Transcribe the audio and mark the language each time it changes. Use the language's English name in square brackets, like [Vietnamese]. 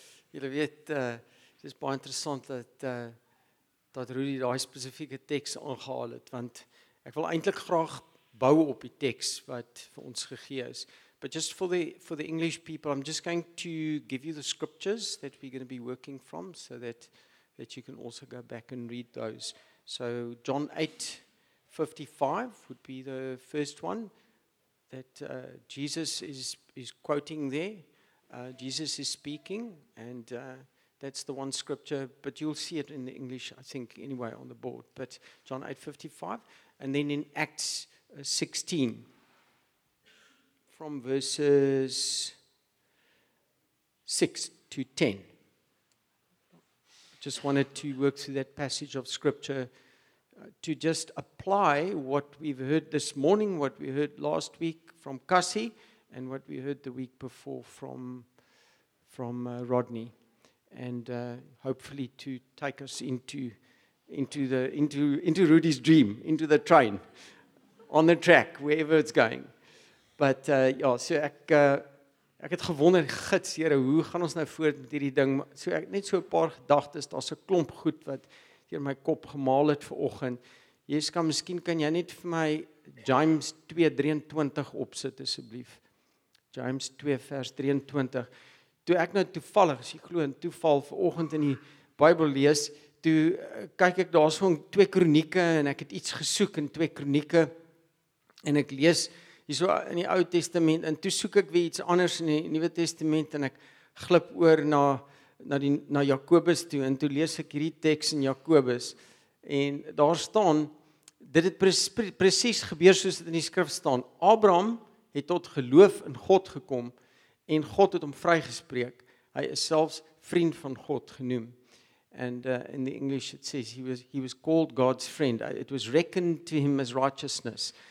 [Afrikaans] Julle weet, dit is baie interessant dat Rudy daai spesifieke teks aangehaal het, want ek wil eintlik graag bou op die teks wat vir ons gegee is. [English] But just for the English people, I'm just going to give you the scriptures that we're going to be working from, so that you can also go back and read those. So John 8:55 would be the first one that Jesus is quoting there. Jesus is speaking, and that's the one scripture, but you'll see it in the English, I think, anyway, on the board. But John 8:55, and then in Acts 16, from verses 6 to 10. Just wanted to work through that passage of scripture to just apply what we've heard this morning, what we heard last week from Cassie, and what we heard the week before from Rodney, and hopefully to take us into Rudy's dream, into the train, on the track, wherever it's going. [Afrikaans] But ek het gewonder, gits, Here, hoe gaan ons nou voort met hierdie ding? So ek net so 'n paar gedagtes, daar's 'n klomp goed wat deur my kop gemaal het vanoggend. Jessica, miskien kan jy net vir my James 2:23 opsit asseblief. James 2:23. Toe ek nou toevallig, as jy glo in toeval, vanoggend in die Bybel lees, toe kyk ek daar so in 2 Kronieke en ek het iets gesoek in 2 Kronieke en ek lees hierso in die Ou Testament en toe soek ek weer iets anders in die Nuwe Testament en ek glip oor na Jakobus toe en toe lees ek hierdie teks in Jakobus en daar staan, dit het precies gebeur soos dit in die skrif staan. Abraham het tot geloof in God gekom en God het hom vrygespreek. Hy is selfs vriend van God genoem. [English] And in the English it says he was called God's friend. It was reckoned to him as righteousness.